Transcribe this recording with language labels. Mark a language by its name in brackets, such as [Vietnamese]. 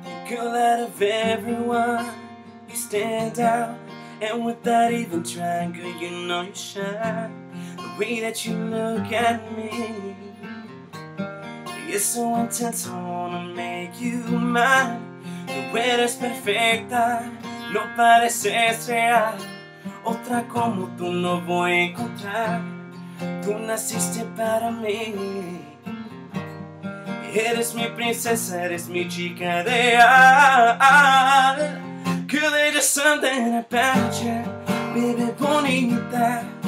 [English] Girl, out of everyone, you stand out, and without even trying, girl, you know you shine. The way that you look at me, you're so intense, I wanna make you mine. [Spanish] Tu eres perfecta, no pareces real, otra como tú no voy a encontrar. Tú naciste para mí, eres mi princesa, eres mi chica de al. [English] Girl, there's just something about you, baby bonita.